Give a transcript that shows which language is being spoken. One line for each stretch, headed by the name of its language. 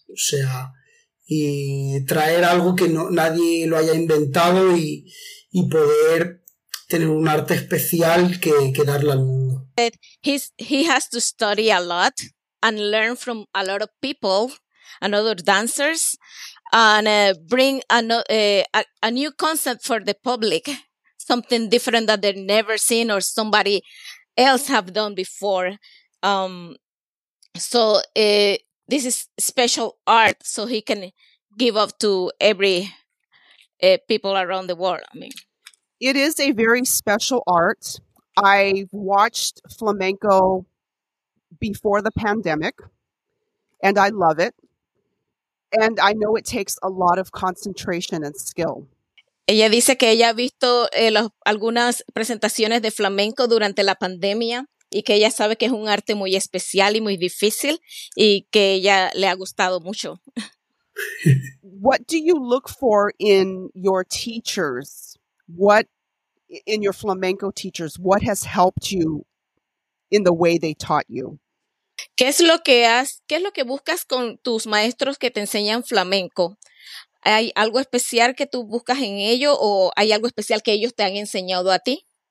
Spanish: O sea, y traer algo que no nadie lo haya inventado y poder tener un arte especial que darle al mundo.
English: He has to study a lot and learn from a lot of people and other dancers and bring a new concept for the public. Something different that they've never seen or somebody else have done before. So this is special art, so he can give up to every people around the world. I mean, it is a very special art. I watched flamenco before the pandemic, and I love it. And I know it takes a lot of concentration and skill.
Spanish: Ella dice que ella ha visto algunas presentaciones de flamenco durante la pandemia y que ella sabe que es un arte muy especial y muy difícil y que ella le ha gustado mucho.
English: What do you look for in your teachers? What in your flamenco teachers? What has helped you in the way they taught you?
Spanish: ¿Qué es lo que has, qué es lo que buscas con tus maestros que te enseñan flamenco? ¿Hay algo especial que tú buscas en ello o hay algo especial que ellos te han enseñado a ti?